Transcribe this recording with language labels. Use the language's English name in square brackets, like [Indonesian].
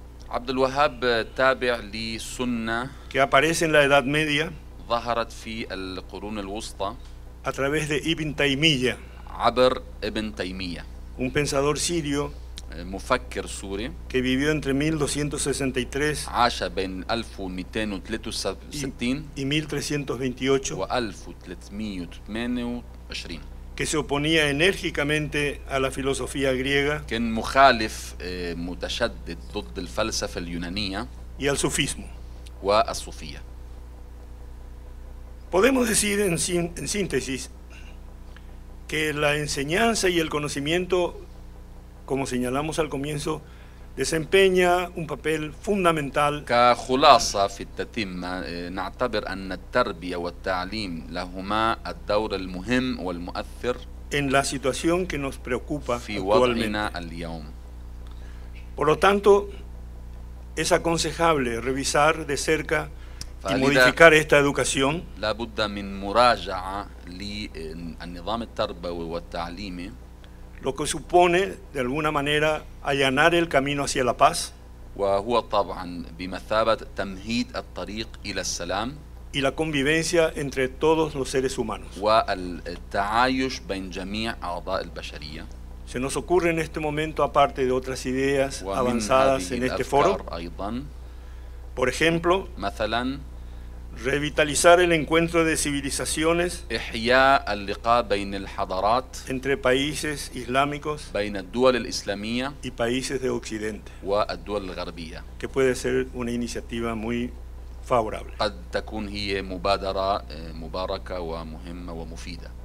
[Arabic] Abdel-Wahhab تابع للسنة [Spanish] que aparece en la Edad Media [Arabic] ظهرت في القرون الوسطى [Spanish] a través de Ibn Taymiyyah [Arabic] عبر ابن تيمية [Spanish] un pensador sirio [Arabic] مفكر سوري [Spanish] que vivió entre 1263 [Arabic] عاش بين 1263 [Spanish] y 1328 [Arabic] و1328 [Spanish] que se oponía enérgicamente a la filosofía griega [Arabic] كان مخالف متشدد ضد الفلسفة اليونانية [Spanish] y al sufismo [Arabic] والصوفية. [Spanish] Podemos decir en síntesis que la enseñanza y el conocimiento, como señalamos al comienzo, desempeña un papel fundamental. [Arabic] كخلاصة في التتمة نعتبر أن التربية والتعليم لهما الدور المهم والمؤثر [Spanish] en la situación que nos preocupa [Arabic] في [Spanish] actualmente. [Arabic] وضعنا اليوم. [Spanish] Por lo tanto, es aconsejable revisar de cerca y modificar esta educación [Arabic] لابد من مراجعة للنظام التربوي والتعليمي [Spanish] lo que supone de alguna manera allanar el camino hacia la paz [Arabic] وهو طبعا بمثابة تمهيد الطريق إلى السلام [Spanish] y la convivencia entre todos los seres humanos [Arabic] والتعايش بين جميع أعضاء البشرية. [Spanish] Se nos ocurre en este momento aparte de otras ideas avanzadas en este foro [Arabic] أيضا, [Spanish] por ejemplo [Arabic] مثلا, [Spanish] revitalizar el encuentro de civilizaciones [Arabic] إحياء اللقاء بين الحضارات [Spanish] entre países islámicos [Arabic] بين الدول الإسلامية [Spanish] y países de occidente [Arabic] والدول الغربية [Spanish] que puede ser una iniciativa muy favorable [Arabic] قد تكون هي مبادرة مباركة ومهمة ومفيدة